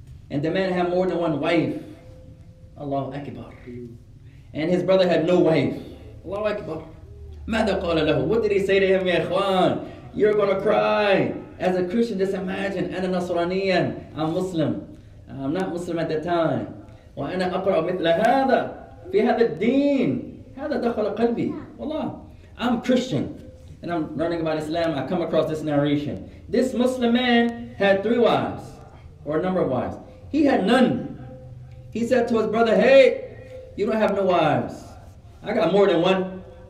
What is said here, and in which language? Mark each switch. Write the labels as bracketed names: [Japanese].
[English] And the man had more than one wife. Allahu Akbar. And his brother had no wife. [Arabic] Allahu Akbar. ماذا قال له? [English] What did he say to him, ya ikhwan? You're gonna cry. As a Christian, just imagine, [Arabic] أنا نصرانياً, [English] I'm Muslim. I'm not Muslim at that time. [Arabic] وأنا أقرأ مثل هذا في هذا الدين. هذا دخل قلبي. [English] والله, I'm Christian. And I'm learning about Islam, I come across this narration. This Muslim man had three wives, or a number of wives. He had none. He said to his brother, hey, you don't have no wives. I got more than one.